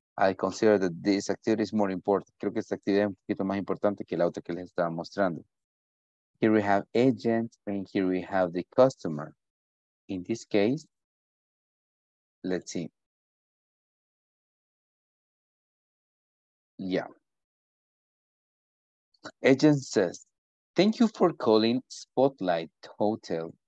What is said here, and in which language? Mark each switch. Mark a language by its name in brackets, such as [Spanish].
[English] I consider that this activity is more important. [Spanish] Creo que esta actividad es un poquito más importante que la otra que les estaba mostrando. [English] Here we have agent, and here we have the customer. In this case, let's see. Yeah. Agent says, thank you for calling Spotlight Hotel.